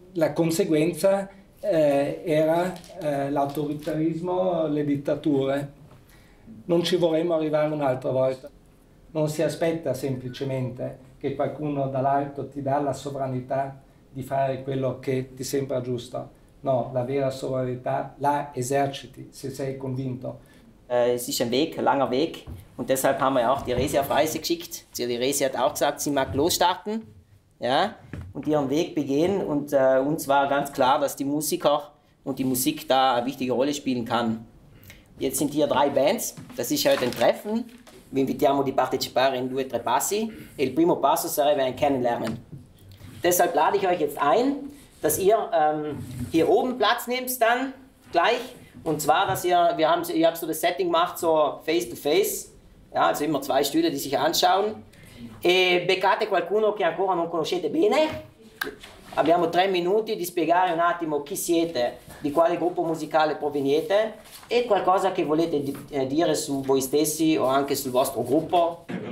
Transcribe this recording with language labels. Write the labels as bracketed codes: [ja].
[it] La conseguenza era l'autoritarismo, le dittature. Non ci vorremmo arrivare un'altra volta. Non si aspetta semplicemente che qualcuno dall'alto ti dà la sovranità di fare quello che ti sembra giusto. No, la vera sovranità la eserciti, se sei convinto. [de] Es ist ein Weg, ein langer Weg. Und deshalb haben wir ja auch die Resi auf Reise geschickt. Die Resi hat auch gesagt, sie mag losstarten. Ja, und ihren Weg begehen, und uns war ganz klar, dass die Musik auch und die Musik da eine wichtige Rolle spielen kann. Jetzt sind hier drei Bands, das ist heute ein Treffen. Wir [it] invitiamo di partecipare in due tre passi. Il primo passo sarebbe [de] ein Kennenlernen. Deshalb lade ich euch jetzt ein, dass ihr hier oben Platz nehmt dann gleich. Und zwar, dass ihr habt so das Setting gemacht, so [en] face to face. [de] Ja, also immer zwei Stühle, die sich anschauen. [it] E beccate qualcuno che ancora non conoscete bene. Abbiamo tre minuti di spiegare un attimo chi siete, di quale gruppo musicale proveniete e qualcosa che volete dire su voi stessi o anche sul vostro gruppo.